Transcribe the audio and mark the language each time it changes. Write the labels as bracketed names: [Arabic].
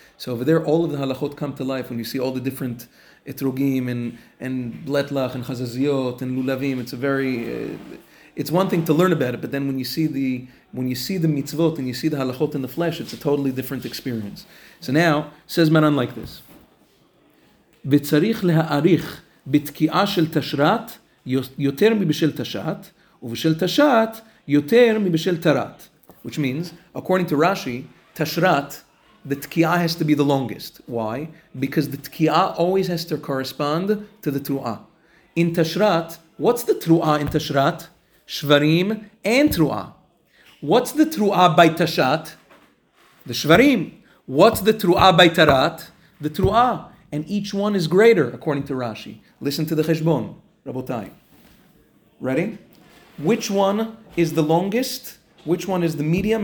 [English] So over there, all of the halachot come to life when you see all the different etrogim and letlach and chazaziot and lulavim. It's a very it's one thing to learn about it, but then when you see the mitzvot and you see the halachot in the flesh, it's a totally different experience. So now says Maran like this. [Hebrew] וצריך להאריך בתקיעה של תשרת יותר מבשל תשעת, ובשל תשעת יותר מבשל תרת. [English] Which means, according to Rashi, תשרת, the תקיעה has to be the longest. Why? Because the תקיעה always has to correspond to the תרועה. In תשרת, what's the תרועה in תשרת? [Hebrew] שברים and תרועה. [English] What's the תרועה by תשעת? The שברים. What's the תרועה by תרת? The תרועה. And each one is greater, according to Rashi. Listen to the Cheshbon, Rabotai. Ready? Which one is the longest? Which one is the medium?